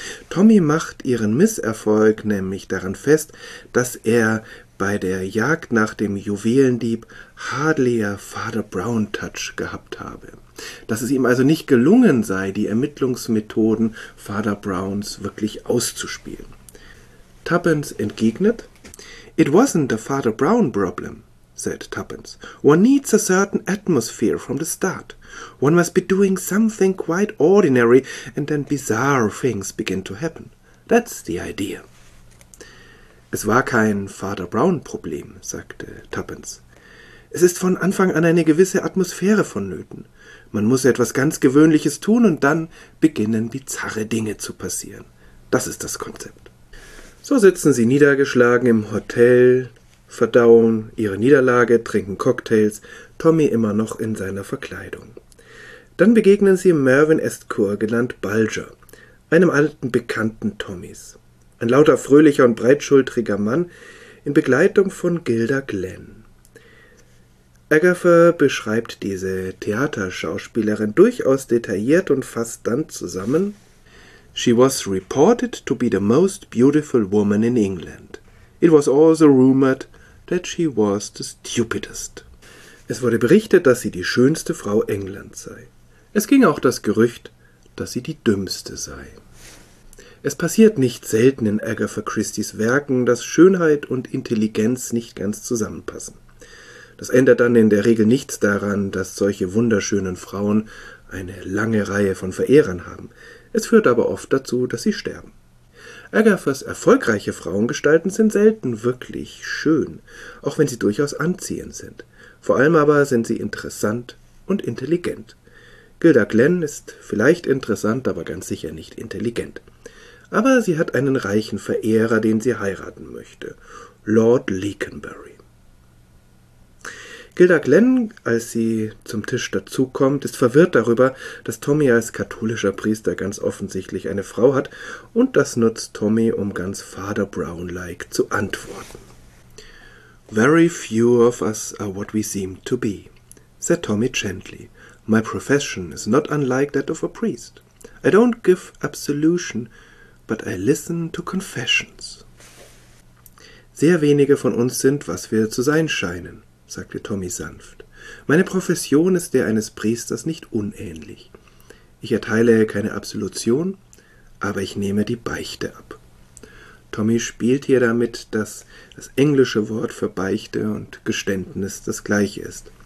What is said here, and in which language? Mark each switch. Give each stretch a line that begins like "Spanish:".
German: Tommy macht ihren Misserfolg nämlich daran fest, dass er bei der Jagd nach dem Juwelendieb Hardlier Father Brown Touch gehabt habe. Dass es ihm also nicht gelungen sei, die Ermittlungsmethoden Father Browns wirklich auszuspielen. Tuppence entgegnet:
English: It wasn't the Father Brown problem, said Tuppence. One needs a certain atmosphere from the start. One must be doing something quite ordinary and then bizarre things begin to happen. That's the idea.
German: Es war kein Father Brown Problem, sagte Tuppence. Es ist von Anfang an eine gewisse Atmosphäre vonnöten. Man muss etwas ganz Gewöhnliches tun und dann beginnen bizarre Dinge zu passieren. Das ist das Konzept. So sitzen sie niedergeschlagen im Hotel verdauen ihre Niederlage, trinken Cocktails, Tommy immer noch in seiner Verkleidung. Dann begegnen sie Mervyn Estcourt, genannt Bulger, einem alten Bekannten Tommys. Ein lauter, fröhlicher und breitschultriger Mann in Begleitung von Gilda Glenn. Agatha beschreibt diese Theaterschauspielerin durchaus detailliert und fasst dann zusammen:
English: She was reported to be the most beautiful woman in England. It was also rumored that she was the stupidest.
German: Es wurde berichtet, dass sie die schönste Frau Englands sei. Es ging auch das Gerücht, dass sie die dümmste sei. Es passiert nicht selten in Agatha Christies Werken, dass Schönheit und Intelligenz nicht ganz zusammenpassen. Das ändert dann in der Regel nichts daran, dass solche wunderschönen Frauen eine lange Reihe von Verehrern haben. Es führt aber oft dazu, dass sie sterben. Agathas erfolgreiche Frauengestalten sind selten wirklich schön, auch wenn sie durchaus anziehend sind. Vor allem aber sind sie interessant und intelligent. Gilda Glenn ist vielleicht interessant, aber ganz sicher nicht intelligent. Aber sie hat einen reichen Verehrer, den sie heiraten möchte, Lord Leconbury. Gilda Glenn, als sie zum Tisch dazukommt, ist verwirrt darüber, dass Tommy als katholischer Priester ganz offensichtlich eine Frau hat, und das nutzt Tommy, um ganz Father Brown-like zu antworten.
English: Very few of us are what we seem to be, said Tommy gently. My profession is not unlike that of a priest. I don't give absolution, but I listen to confessions.
German: Sehr wenige von uns sind, was wir zu sein scheinen, sagte Tommy sanft. Meine Profession ist der eines Priesters nicht unähnlich. Ich erteile keine Absolution, aber ich nehme die Beichte ab. Tommy spielt hier damit, dass das englische Wort für Beichte und Geständnis das gleiche ist.